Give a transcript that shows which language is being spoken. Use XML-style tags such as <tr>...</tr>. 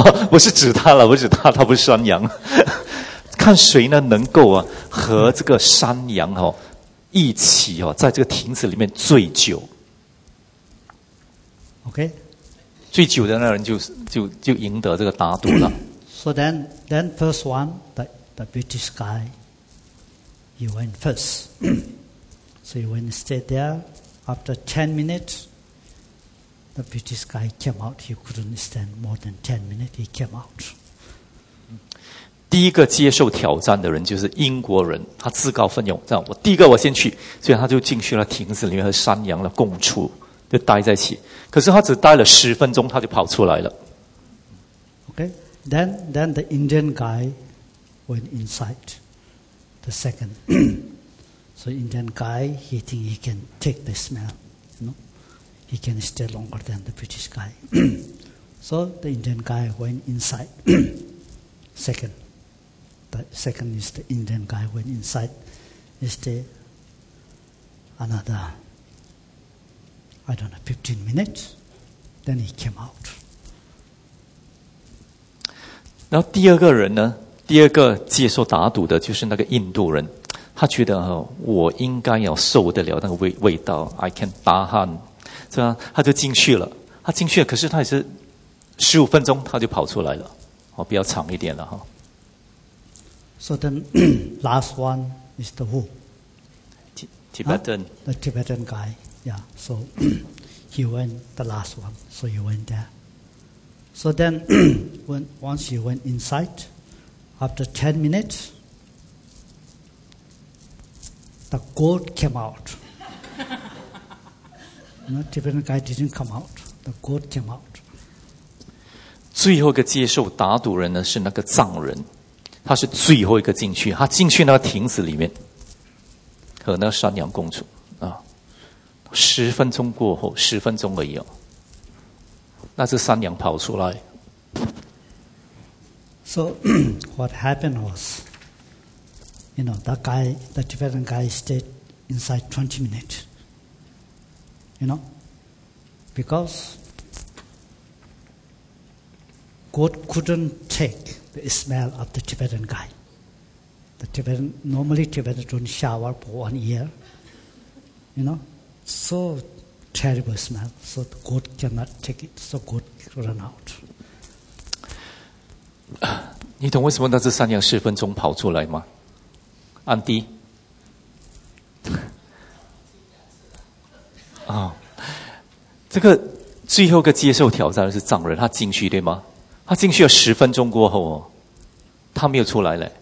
<zh>不是指他了，不是他，他不是山羊，看谁呢能够啊和这个山羊哦一起哦在这个亭子里面醉酒。</zh> <en>Okay.</en> <zh>最久的那人就赢得这个打赌了。</zh> <en>So then first one, the British guy, he went first. So he went and stayed there. After 10 minutes, the British guy came out. He couldn't stand more than 10 minutes. He came out.</en> <zh>第一个接受挑战的人就是英国人，他自告奋勇，这样我第一个我先去，所以他就进去了亭子里面和山羊了共处，就待在一起。可是他只待了十分钟，他就跑出来了。</zh> <en>Okay. Then the Indian guy went inside the second. So Indian guy, he think he can take the smell. You know? He can stay longer than the British guy. So the Indian guy went inside second. The second is the Indian guy went inside. He stayed another, I don't know, 15 minutes. Then he came out.</en> <zh>然后第二个人呢，第二个接受打赌的就是那个印度人，他觉得、哦、我应该要受得了那个味道</zh> <en>I can tahan</en> <zh>是吧，他就进去了，他进去了，可是他也是15分钟他就跑出来了、哦、比较长一点了、</zh> <en>哦、So then last one is the who? Tibetan、 huh? The Tibetan guy Yeah, so he went the last one So he went thereSo then, once he went inside, after 10 minutes, the goat came out. No, Tibetan guy didn't come out. The goat came out.</en> <zh>最后一个接受打赌人呢是那个藏人，他是最后一个进去，他进去那个亭子里面和那个山羊共处啊。十分钟过后，十分钟而已哦，那只山羊跑出来。</zh> <en>So what happened was, you know, that guy, the Tibetan guy stayed inside 20 minutes, you know, because goat couldn't take the smell of the Tibetan guy. The Tibetan, normally Tibetans don't shower for 1 year, you know, so terrible smell, so the goat cannot take it, so goat ran out.</en> <zh>你懂为什么那只山羊十分钟跑出来吗？安迪，啊、哦，这个最后一个接受挑战的是藏人，他进去对吗？他进去了十分钟过后哦，他没有出来嘞。</zh>